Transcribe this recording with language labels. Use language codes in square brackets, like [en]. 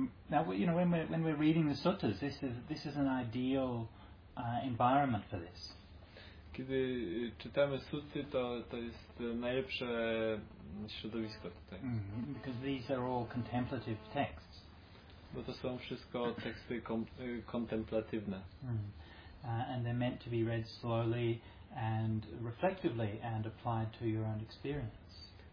[en] Now, you know, when we're reading the suttas, this is an ideal environment for this. [pl] Kiedy czytamy sutty, to jest najlepsze środowisko tutaj. [en] Because these are all contemplative texts. [pl] Bo to są wszystko teksty kontemplatywne. [en] And they're meant to be read slowly and reflectively and applied to your own experience.